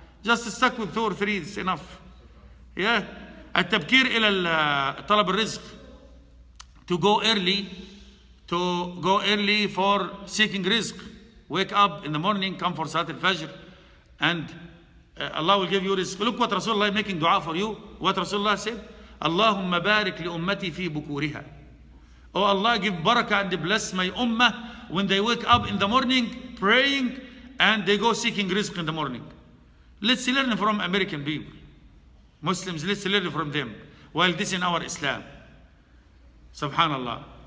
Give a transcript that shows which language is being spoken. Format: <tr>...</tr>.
<en>Just stuck with two or three. It's enough. Yeah.</en> <ar>التبكير إلى طلب الرزق.</ar> <en>To go early for seeking rizq. Wake up in the morning, come for Salat al-Fajr, and Allah will give you rizq. Look what Rasulullah is making dua for you. What Rasulullah said,</en> <ar>اللهم بارك لأمتي في بكورها.</ar> <en>Oh Allah, give barakah and bless my ummah when they wake up in the morning praying and they go seeking rizq in the morning. Let's learn from American people. Muslims, let's learn from them. While this in our Islam. Subhanallah.</en>